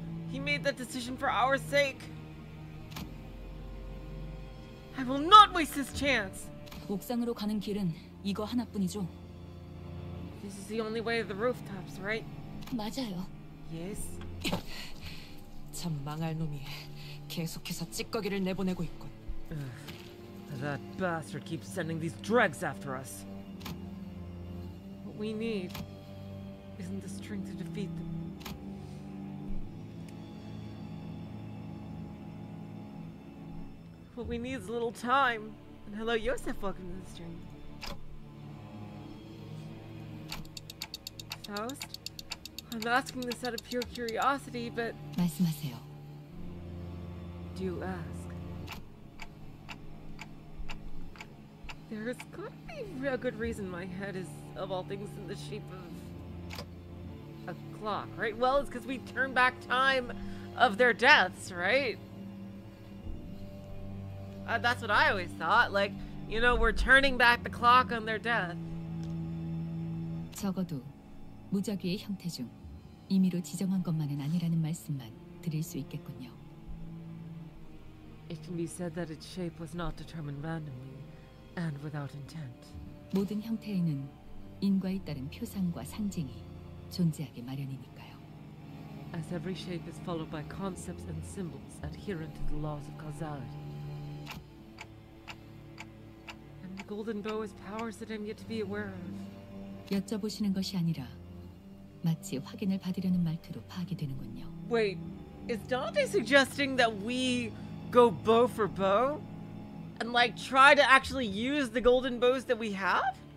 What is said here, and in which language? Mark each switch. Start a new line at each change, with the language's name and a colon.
English: He made that decision for our sake. I will not waste this chance.
Korean: 옥상으로 가는 길은 이거 하나뿐이죠.
English: This is the only way to the rooftops, right?
Korean: 맞아요.
English: Yes.
Korean: 참 망할 놈이 계속해서 찌꺼기를 내보내고 있군.
English: That bastard keeps sending these dregs after us. What we need isn't the strength to defeat them. What we need is a little time. And hello, Yosef, welcome to the stream. Faust? I'm asking this out of pure curiosity, but...
Korean: 말씀하세요.
English: Do you ask? There's got to be a good reason my head is, of all things, in the shape of a clock, right? Well, it's because we turn back time of their deaths, right? That's what I always thought. Like, you know, we're turning back the clock on their death.
Korean: 적어도 무작위의 형태 중 임의로 지정한 것만은 아니라는 말씀만 드릴 수 있겠군요.
English: It can be said that its shape was not determined randomly. And without intent.
Korean: 모든 형태에는 인과에 따른 표상과 상징이 존재하기 마련이니까요.
English: As every shape is followed by concepts and symbols adherent to the laws of causality. And the golden bow is powers that I'm yet to be aware of.
Korean: 여쭤보시는 것이 아니라 마치 확인을 받으려는 말투로 파악이 되는군요.
English: Wait, is Dante suggesting that we go bow for bow? And, like, try to actually use the golden bows that we have?